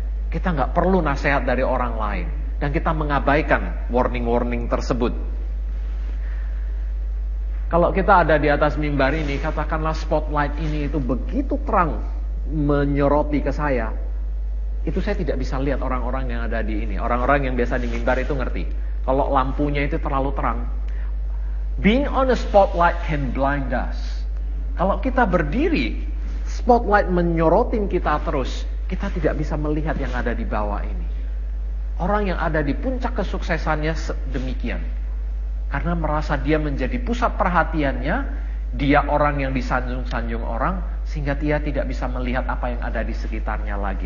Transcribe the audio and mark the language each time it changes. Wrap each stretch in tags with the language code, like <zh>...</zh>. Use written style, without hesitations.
<id>Kita gak perlu nasehat dari orang lain. Dan kita mengabaikan warning-warning tersebut. Kalau kita ada di atas mimbar ini, katakanlah spotlight ini itu begitu terang menyoroti ke saya, itu saya tidak bisa lihat orang-orang yang ada di ini. Orang-orang yang biasa di mimbar itu ngerti. Kalau lampunya itu terlalu terang.</id> <en>Being on a spotlight can blind us.</en> <id>Kalau kita berdiri, spotlight menyorotin kita terus, kita tidak bisa melihat yang ada di bawah ini. Orang yang ada di puncak kesuksesannya demikian. Karena merasa dia menjadi pusat perhatiannya, dia orang yang disanjung-sanjung orang, sehingga dia tidak bisa melihat apa yang ada di sekitarnya lagi.</id>